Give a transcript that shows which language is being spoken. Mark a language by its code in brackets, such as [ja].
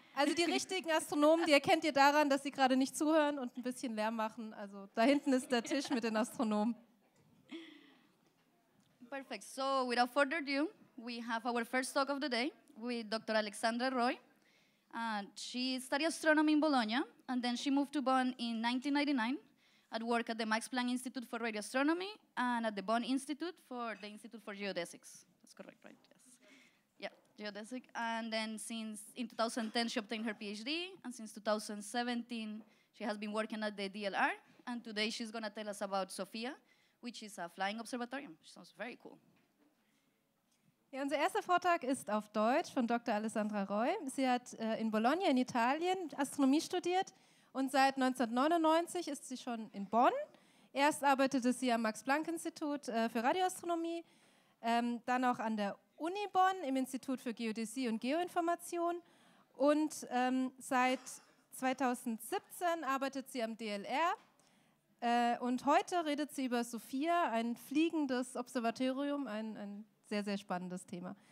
[de] Also die richtigen Astronomen, die erkennt ihr daran, dass sie gerade nicht zuhören und ein bisschen Lärm machen. Also da hinten ist der Tisch mit den Astronomen. [en] Perfect. So without further ado, we have our first talk of the day with Dr. Alessandra Roy. She studied astronomy in Bologna and then she moved to Bonn in 1999 at work at the Max Planck Institute for Radioastronomy and at the Bonn Institute for the Institute for Geodesics. That's correct, right? Geodesic, and then since in 2010 she obtained her PhD, and since 2017 she has been working at the DLR, and today she's going to tell us about SOFIA, which is a flying observatorium. It sounds very cool. [de] Ja, unser erster Vortrag ist auf Deutsch von Dr. Alessandra Roy. Sie hat in Bologna in Italien Astronomie studiert und seit 1999 ist sie schon in Bonn. Erst arbeitete sie am Max Planck Institut für Radioastronomie, dann auch an der Uni Bonn im Institut für Geodäsie und Geoinformation und seit 2017 arbeitet sie am DLR und heute redet sie über SOFIA, ein fliegendes Observatorium, ein sehr, sehr spannendes Thema.